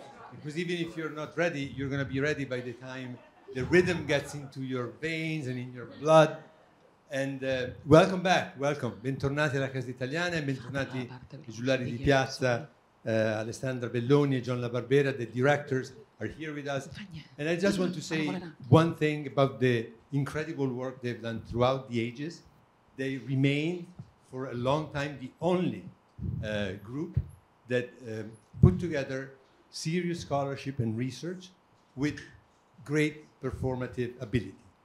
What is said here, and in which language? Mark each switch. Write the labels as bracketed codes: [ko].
[en] Because even if you're not ready, you're going to be ready by the time the rhythm gets into your veins and in your blood. And welcome back, welcome. [it] Bentornati alla Casa Italiana e bentornati ai Giullari di Piazza. [en] Alessandra Belloni e John La Barbera, the directors, are here with us. And I just want to say one thing about the incredible work they've done throughout the ages. They remain for a long time the only group that put together serious scholarship and research with great performative ability.